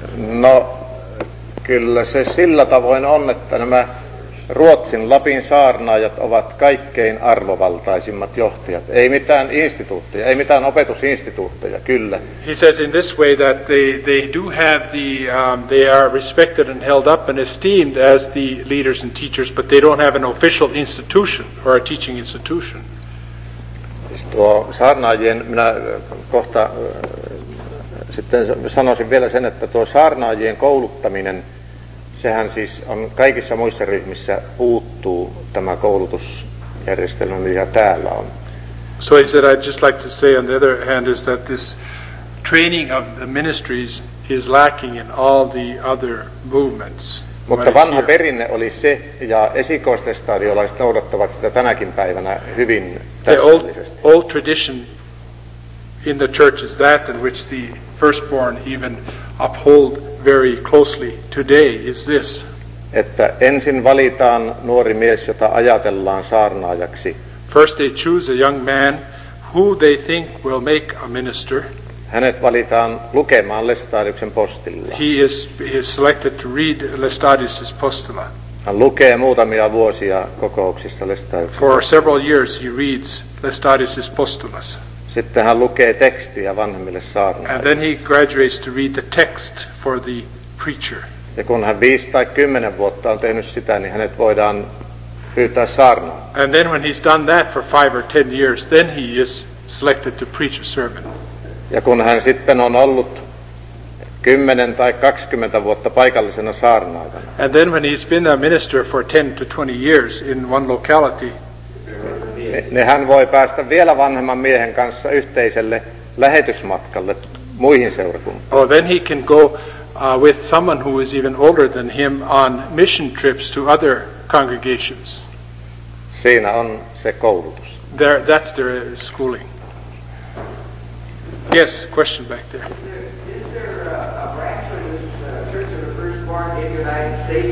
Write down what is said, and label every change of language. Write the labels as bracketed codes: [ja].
[fi] No, kyllä se sillä tavoin on, että nämä Ruotsin Lapin saarnaajat ovat kaikkein arvovaltaisimmat johtajat. Ei mitään instituutteja, ei mitään opetusinstituutteja, kyllä. [en] He says in this way that they do have the they are respected and held up and esteemed as the leaders and teachers, but they don't have an official institution or a teaching institution. [fi] Tuo saarnaajien, minä kohta sitten sanoisin vielä sen, että tuo saarnaajien kouluttaminen, sehän siis on kaikissa muissa ryhmissä puuttuu tämä koulutusjärjestelmä, mikä täällä on. [en] So he said, I'd just like to say on the other hand is that this training of the ministries is lacking in all the other movements. [fi] Mutta vanha perinne oli se, ja esikoisten stadiolaiset noudattavat sitä tänäkin päivänä hyvin täsmällisesti. [en] The old tradition in the church is that in which the firstborn even uphold very closely today is this. [fi] Että ensin valitaan nuori mies, jota ajatellaan saarnaajaksi. [en] First they choose a young man who they think will make a minister. [fi] Hänet valitaan lukemaan Lestadiuksen postilla. [en] He is selected to read Lestadius' postilla. [fi] Hän lukee muutamia vuosia kokouksissa Lestadiuksen. [en] For several years he reads Lestadius' postilla. [fi] Sitten hän lukee tekstiä vanhemmille saarnaajille. [en] And then he graduates to read the text for the preacher. [fi] Ja kun hän 5 tai 10 vuotta on tehnyt sitä, niin hänet voidaan pyytää saarnaan. [en] And then when he's done that for 5 or 10 years, then he is selected to preach a sermon. [fi] Ja kun hän sitten on ollut 10 tai 20 vuotta paikallisena saarnaajana. [en] And then when he's been a minister for 10 to 20 years in one locality, [fi] niin hän voi päästä vielä vanhemman miehen kanssa yhteiselle lähetysmatkalle muihin seurakuntiin. [en] Oh, then he can go with someone who is even older than him on mission trips to other congregations. [fi] Siinä on se koulutus. [en] There, that's their schooling. Yes, question back there. Is there a branch of this Church of the Firstborn in the United States?